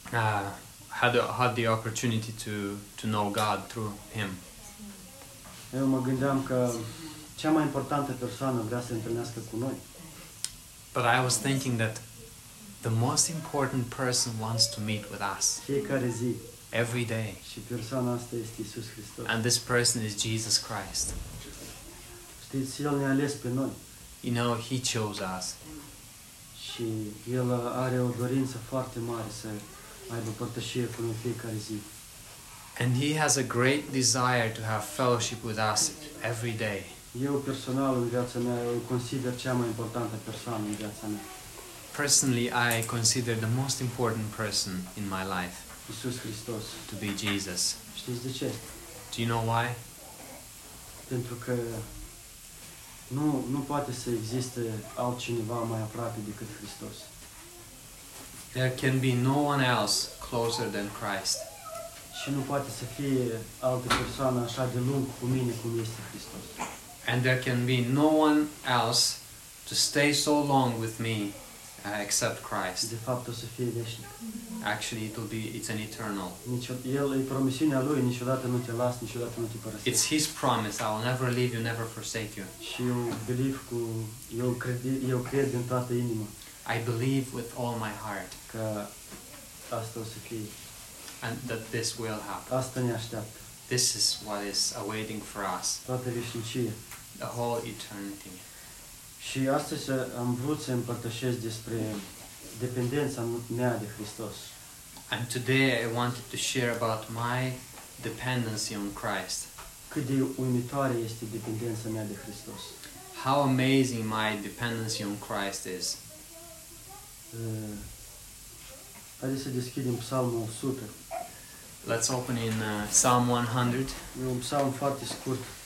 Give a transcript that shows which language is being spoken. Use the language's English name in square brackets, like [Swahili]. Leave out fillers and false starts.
[English] Had the opportunity to know God through him. [Romanian] Eu mă gândeam că cea mai importantă persoană vrea să întâlnească cu noi. [English] But I was thinking that the most important person wants to meet with us. [Romanian] Fiecare zi. [English] Every day. [Romanian] Și persoana asta este Iisus Hristos. [English] And this person is Jesus Christ. [Romanian] Deci El ne-a ales pe noi. [English] You know, He chose us. [Romanian] Și El are o dorință foarte mare să aibă părtășie cu noi fiecare zi. [English] And He has a great desire to have fellowship with us every day. [Romanian] Eu personal în viața mea îl consider cea mai importantă persoană în viața mea. [English] Personally, I consider the most important person in my life. [Romanian] Iisus Hristos. [English] To be Jesus. [Romanian] Știți de ce? [English] Do you know why? [Romanian] Pentru că Nu poate să existe altcineva mai aproape decât Hristos. [English] There can be no one else closer than Christ. [Romanian] Și nu poate să fie altă persoană așa de lung cu mine cum este Hristos. [English] And there can be no one else to stay so long with me except Christ. [Romanian] De fapt o să fie veșnic. [English] Actually it's an eternal. [Romanian] El e promisiunea lui, niciodată nu te las, niciodată nu te părăsesc. [English] It's his promise, I will never leave you, never forsake you. [Romanian] Și eu cred din toată inima. [English] I believe with all my heart. [Romanian] Că asta o să fie. [English] And that this will happen. [Romanian] Asta ne așteaptă. [English] This is what is awaiting for us. [Romanian] Toată veșnicie. [English] The whole eternity. [Romanian] Și astăzi am vrut să împărtășesc despre dependența mea de Hristos. [English] And today I wanted to share about my dependency on Christ. [Romanian] Cât de uimitoare este dependența mea de Hristos. [English] How amazing my dependency on Christ is. [Romanian] Haideți să deschidem Psalmul 100. [English] Let's open in Psalm 100. [Romanian] E un psalm foarte scurt.